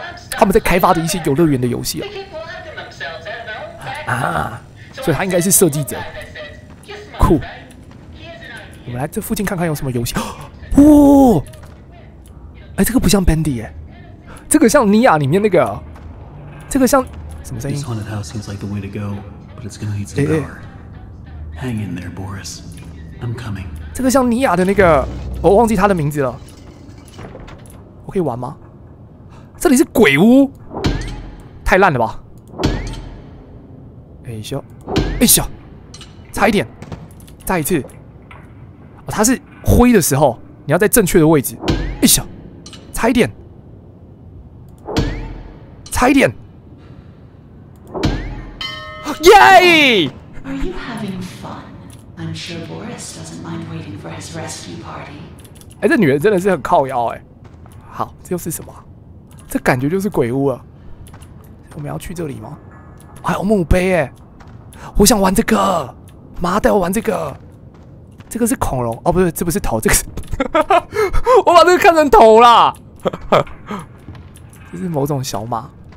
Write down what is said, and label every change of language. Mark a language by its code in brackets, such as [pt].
[zh] 他们在开发的一些游乐园的游戏啊。啊，所以他应该是设计者。酷。我们来这附近看看有什么游戏。哇、哦！哎，这个不像 Bendy 哎，这个像 Nia 里面那个，这个像。 [en] This haunted house seems like the way to go, but it's gonna need some power. Hang in there, Boris. I'm coming. [zh] 这个像尼亚的那个，我忘记他的名字了。我可以玩吗？这里是鬼屋，太烂了吧！哎咻，哎咻，差一点，再一次。哦，它是灰的时候，你要在正确的位置。哎咻，差一点，差一点。 [en] Yay! Are you having fun? I'm sure Boris doesn't mind waiting for his rescue party. [zh] 哎，这女人真的是很靠腰哎。好，这又是什么？这感觉就是鬼屋了。我们要去这里吗？还有墓碑哎！我想玩这个，妈带我玩这个。这个是恐龙哦，不是，这不是头，这个是，我把这个看成头啦，这是某种小马。